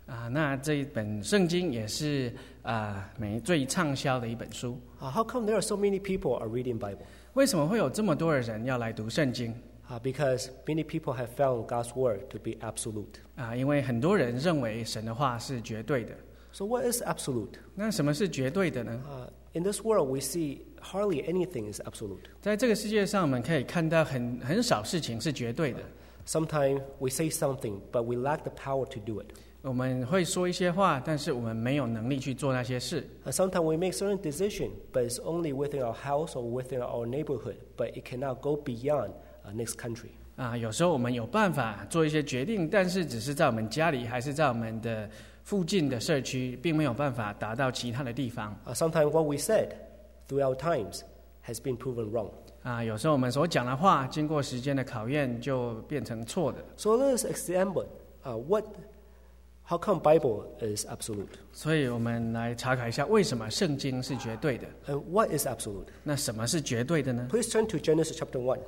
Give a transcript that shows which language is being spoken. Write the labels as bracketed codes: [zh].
[zh] 那这一本圣经也是最畅销的一本书。 [en] How come there are so many people are reading Bible? [zh] 为什么会有这么多的人要来读圣经？ [en] Because many people have found God's word to be absolute. [zh] 因为很多人认为神的话是绝对的。 [en] So what is absolute? [zh] 那什么是绝对的呢？ [en] In this world, we see hardly anything is absolute. [zh] 在这个世界上，我们可以看到很少事情是绝对的。 [en] Sometimes we say something, but we lack the power to do it. [zh] 我们会说一些话，但是我们没有能力去做那些事。 [en] Sometimes we make certain decisions, but it's only within our house or within our neighborhood, but it cannot go beyond next country. [zh] 有时候我们有办法做一些决定，但是只是在我们家里，还是在我们的附近的社区，并没有办法达到其他的地方。 [en] Sometimes what we said throughout times has been proven wrong. [zh] 有时候我们所讲的话，经过时间的考验，就变成错的。 [en] So let's examine, what. How come Bible is absolute? [zh] 所以我们来查考一下为什么圣经是绝对的。 [en] And what is absolute? [zh] 那什么是绝对的呢？ [en] Please turn to Genesis chapter 1.